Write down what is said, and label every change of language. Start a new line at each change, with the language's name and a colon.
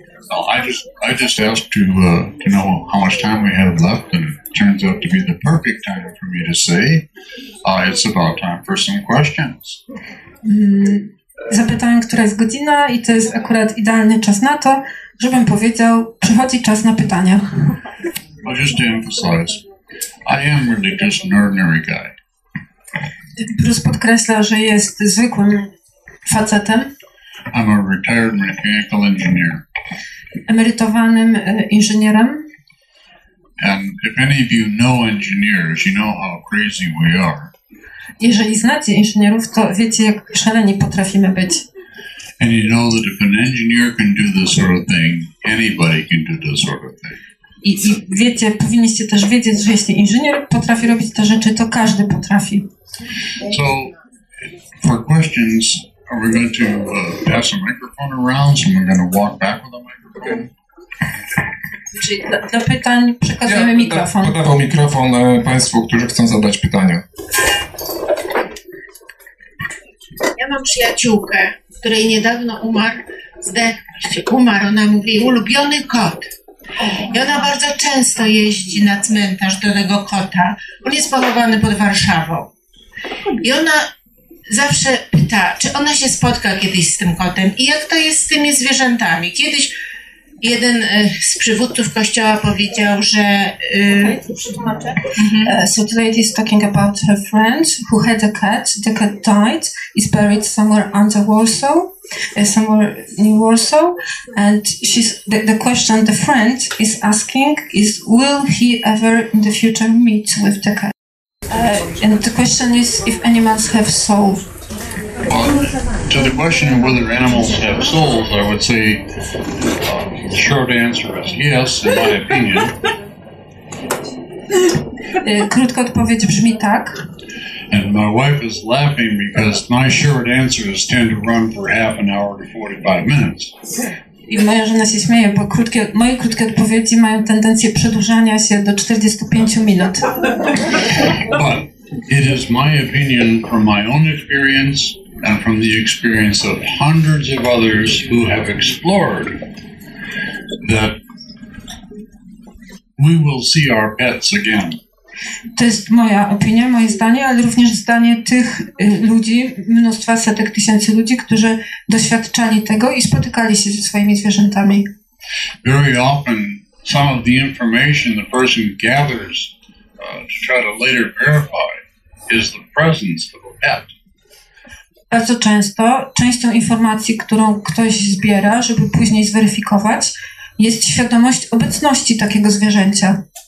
English: Well, I just asked to know how much time we have left, and it turns out to be the perfect time for me to say it's about time for some questions.
Polish: Zapytałem, która jest godzina i to jest akurat idealny czas na to, żebym powiedział, przychodzi czas na pytania.
English: I'll just emphasize, I am really just an ordinary guy.
Polish: Bruce podkreśla, że jest zwykłym facetem.
English: I'm a retired mechanical engineer.
Polish: Emerytowanym inżynierem.
English: And if any of you know engineers, you know how crazy we are.
Polish: Jeżeli znacie inżynierów, to wiecie, jak szaleni potrafimy być.
English: And you know that if an engineer can do this sort of thing, anybody can do this sort of thing.
Polish: I wiecie, powinniście też wiedzieć, że jeśli inżynier potrafi robić te rzeczy, to każdy potrafi.
English: So, for questions, are we going to pass a microphone around? So we're going to walk back with a microphone.
Polish: Do pytań przekazujemy mikrofon. Ja podawał mikrofon Państwu, którzy chcą zadać pytania. Ja mam przyjaciółkę, której niedawno umarł, ona mówi, ulubiony kot. I ona bardzo często jeździ na cmentarz do tego kota. On jest pochowany pod Warszawą. I ona zawsze pyta, czy ona się spotka kiedyś z tym kotem i jak to jest z tymi zwierzętami. Kiedyś jeden z przywódców kościoła powiedział, że...
English: So the lady is talking about her friend who had a cat. The cat died, is buried somewhere under Warsaw, somewhere in Warsaw. And she's the question the friend is asking is, will he ever in the future meet with the cat? And the question is, if animals have souls. To the question of whether animals have souls, I would say The short answer is yes, in my opinion.
Polish: Krótka odpowiedź brzmi tak.
English: And my wife is laughing because my short answers tend to run for half an hour to 45 minutes.
Polish: I moja żona się śmieje, bo krótkie, moje krótkie odpowiedzi mają tendencję przedłużania się do 45 minut.
English: But it is my opinion from my own experience and from the experience of hundreds of others who have explored that we will see our pets again.
Polish: To jest moja opinia, moje zdanie, ale również zdanie tych ludzi, mnóstwa, setek tysięcy ludzi, którzy doświadczali tego i spotykali się ze swoimi zwierzętami.
English: Very often some of the information the person gathers to try to later verify is the presence of a pet.
Polish: Bardzo często częścią informacji, którą ktoś zbiera, żeby później zweryfikować, jest świadomość obecności takiego zwierzęcia.